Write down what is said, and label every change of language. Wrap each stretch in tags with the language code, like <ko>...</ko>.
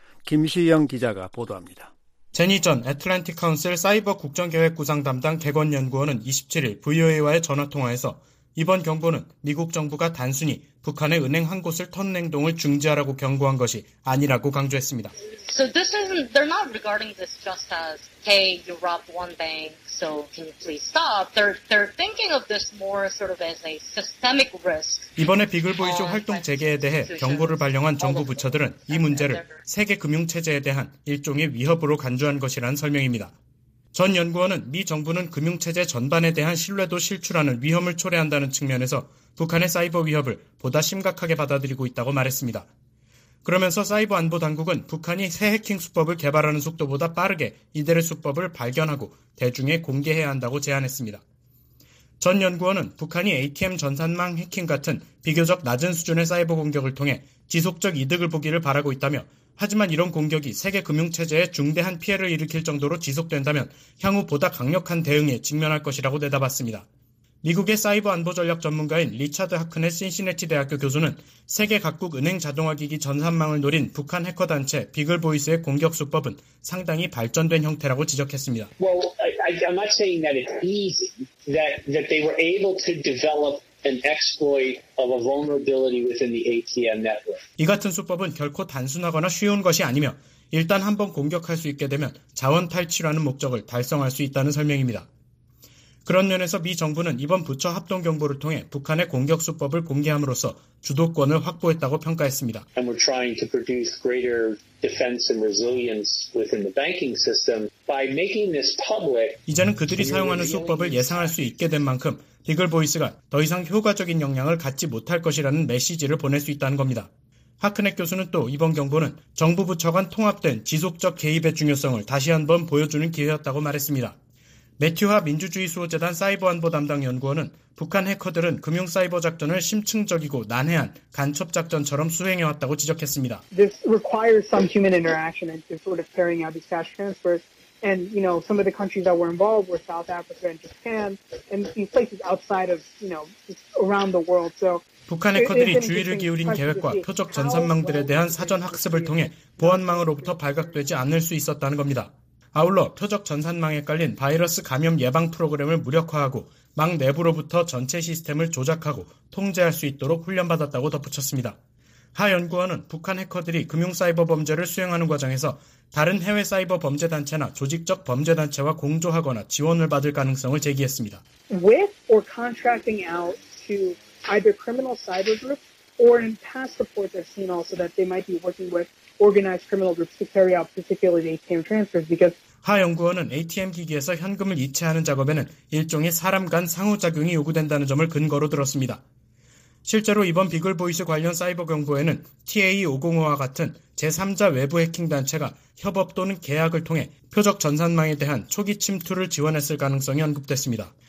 <ko>김시영 기자가 보도합니다. 제니 전 애틀랜틱 카운슬 사이버 국정계획 구상 담당 객원연구원은 27일 VOA와의 전화통화에서 이번 경보는 미국 정부가 단순히 북한의 은행 한 곳을 터는 행동을 중지하라고 경고한 것이 아니라고 강조했습니다.</ko> <en>So this isn't, they're not regarding this just as, hey, you robbed one bank, so can you please stop? They're thinking of this more sort of as a systemic risk.</en> <ko>이번에 비글보이즈 활동 재개에 대해 경고를 발령한 정부 부처들은 이 문제를 세계 금융체제에 대한 일종의 위협으로 간주한 것이라는 설명입니다. 전 연구원은 미 정부는 금융체제 전반에 대한 신뢰도 실추라는 위험을 초래한다는 측면에서 북한의 사이버 위협을 보다 심각하게 받아들이고 있다고 말했습니다. 그러면서 사이버 안보 당국은 북한이 새 해킹 수법을 개발하는 속도보다 빠르게 이들의 수법을 발견하고 대중에 공개해야 한다고 제안했습니다. 전 연구원은 북한이 ATM 전산망 해킹 같은 비교적 낮은 수준의 사이버 공격을 통해 지속적 이득을 보기를 바라고 있다며 하지만 이런 공격이 세계 금융체제에 중대한 피해를 일으킬 정도로 지속된다면 향후 보다 강력한 대응에 직면할 것이라고 내다봤습니다. 미국의 사이버 안보 전략 전문가인 리차드 하크넷 신시내티 대학교 교수는 세계 각국 은행 자동화기기 전산망을 노린 북한 해커 단체 비글보이스의 공격 수법은 상당히 발전된 형태라고 지적했습니다.</ko> <en>Well, I'm not saying that it's easy, that they were able to develop an exploit of a vulnerability within the ATM network.</en> <ko>이 같은 수법은 결코 단순하거나 쉬운 것이 아니며 일단 한번 공격할 수 있게 되면 자원 탈취라는 목적을 달성할 수 있다는 설명입니다. 그런 면에서 미 정부는 이번 부처 합동 경보를 통해 북한의 공격 수법을 공개함으로써 주도권을 확보했다고 평가했습니다.</ko> <en>And we're trying to produce greater defense and resilience within the banking system by making this public.</en> <ko>이제는 그들이 사용하는 수법을 예상할 수 있게 된 만큼 비글보이스가 더 이상 효과적인 역량을 갖지 못할 것이라는 메시지를 보낼 수 있다는 겁니다. 하크넥 교수는 또 이번 경보는 정부 부처 간 통합된 지속적 개입의 중요성을 다시 한번 보여주는 기회였다고 말했습니다. 매튜화 민주주의 수호재단 사이버안보 담당 연구원은 북한 해커들은 금융 사이버 작전을 심층적이고 난해한 간첩 작전처럼 수행해왔다고 지적했습니다.</ko> <en>This requires some human interaction and sort of carrying out these cash transfers. And you know, some of the countries that were involved were South Africa and Japan and these places outside of, you know, around the world. So</en> <ko>북한 해커들이 주의를 기울인 계획과 표적 전산망들에 대한 사전 학습을 통해 보안망으로부터 발각되지 않을 수 있었다는 겁니다. 아울러 표적 전산망에 깔린 바이러스 감염 예방 프로그램을 무력화하고 망 내부로부터 전체 시스템을 조작하고 통제할 수 있도록 훈련받았다고 덧붙였습니다. 하 연구원은 북한 해커들이 금융 사이버 범죄를 수행하는 과정에서 다른 해외 사이버 범죄 단체나 조직적 범죄 단체와 공조하거나 지원을 받을 가능성을 제기했습니다.</ko> <en>With or contracting out to either criminal cyber groups or in past reports I've seen also that they might be working with organized criminal groups to carry out particularly ATM transfers because</en> <ko>하 연구원은 ATM 기기에서 현금을 이체하는 작업에는 일종의 사람 간 상호작용이 요구된다는 점을 근거로 들었습니다. 실제로 이번 비글보이스 관련 사이버 경보에는 TA-505와 같은 제3자 외부 해킹 단체가 협업 또는 계약을 통해 표적 전산망에 대한 초기 침투를 지원했을 가능성이 언급됐습니다.</ko>